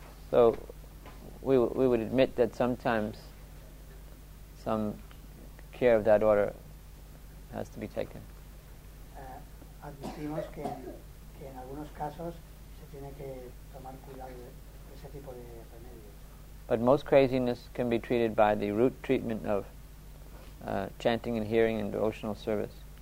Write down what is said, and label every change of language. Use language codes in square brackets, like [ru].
[en] So we would admit that sometimes some care of that order has to be taken. [es] Admitimos que que en algunos casos se tiene que tomar cuidado de ese tipo de remedios. [en] But most craziness can be treated by the root treatment of chanting and hearing and devotional service.